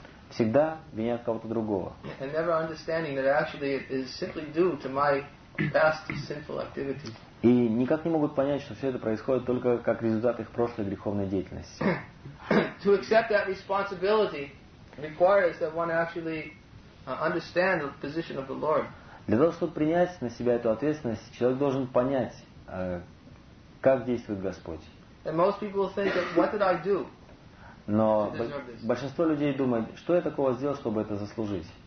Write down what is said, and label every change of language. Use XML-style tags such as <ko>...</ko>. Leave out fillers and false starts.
<ru>Всегда винят кого-то другого.</ru> <en>And never understanding that actually it is simply due to my past sinful activities.</en> <ru>И никак не могут понять, что все это происходит только как результат их прошлой греховной деятельности.</ru> <en>To accept that responsibility requires that one actually understand the position of the Lord.</en> <ru>Для того, чтобы принять на себя эту ответственность, человек должен понять, как действует Господь.</ru> <en>And most people think that, what did I do?</en> <ru>Но большинство людей думает, что я такого сделал, чтобы это заслужить.</ru>